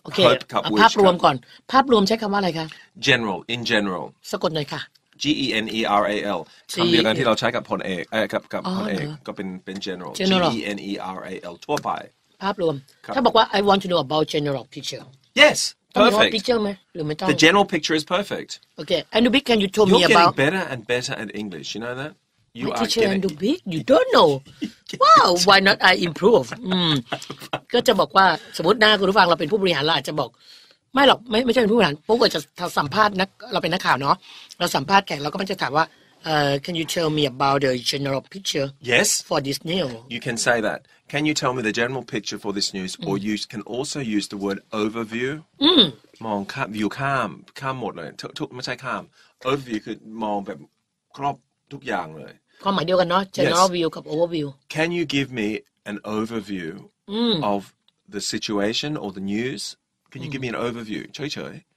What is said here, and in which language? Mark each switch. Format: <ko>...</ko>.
<th>โอเคภาพรวมก่อนภาพรวมใช้คำว่าอะไรคะ</th> <en>general in general</en> <th>สะกดหน่อยค่ะ general คำเดียวกันที่เราใช้กับพลเอกกับพลเอกก็เป็น general general ทั่วไป ภาพรวมถ้าบอกว่า</th> <en>I want to know about general picture yes perfect</en> <th>picture ไหมหรือไม่ต้อง</th> <en>the general picture is perfect okay and Anubik can you tell me about you're getting better and better at English you know thatYou My teacher and the big, you don't know. Wow, why not I improve?</en> <th>ก็จะบอกว่าสมมติหน้าคุณผู้ฟังเราเป็นผู้บริหารเราจะบอกไม่หรอกไม่ใช่เป็นผู้บริหารพวกเราจะสัมภาษณ์นักเราเป็นนักข่าวเนาะเราสัมภาษณ์แขกเราก็มันจะถามว่า</th> <en>Can you tell me about the general picture? Yes. For this news, you can say that. Can you tell me the general picture for this news? Or you can also use the word overview.</en> <th>มองข้ามวิวข้ามหมดเลยทุกไม่ใช่ข้าม overview คือมองแบบครอบทุกอย่างเลย ความหมายเดียวกันเนาะ general view กับ overview</th> <en>Can you give me an overview of the situation or the news Can you give me an overview</en> <th>เฉย</th>